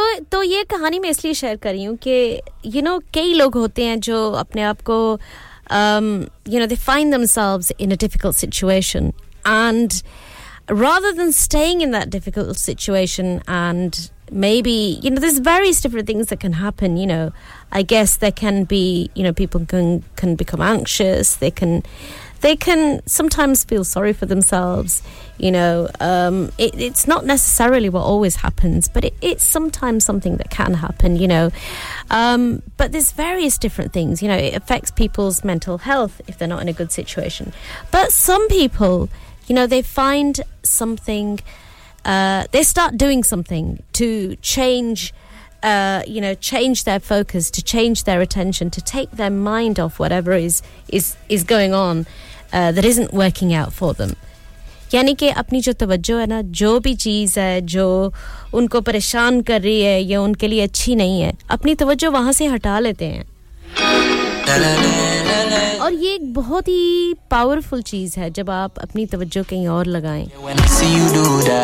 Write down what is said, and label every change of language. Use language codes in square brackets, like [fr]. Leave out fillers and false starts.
[hi] तो ये कहानी मैं इसलिए शेयर कर रही हूँ कि [en] You know कई लोग होते हैं जो अपने आप को you know they find themselves in a difficult situation and rather than staying in that difficult situation and maybe you know there is various different things that can happen. You know I guess there can be you know people can become anxious, they can sometimes feel sorry for themselves, you know. It's not necessarily what always happens, but it's sometimes something that can happen, you know. But there's various different things, you know. It affects people's mental health if they're not in a good situation. But some people, you know, they find something, they start doing something to change, you know, change their focus, to change their attention, to take their mind off whatever is going on. That isn't working out for them. [hi] यानी कि अपनी जो तवज्जो है ना, जो भी चीज़ है जो उनको परेशान कर रही है या उनके लिए अच्छी नहीं है, अपनी तवज्जो वहाँ से हटा लेते हैं. और ये एक बहुत ही पावरफुल चीज़ है जब आप अपनी तवज्जो कहीं और लगाएं.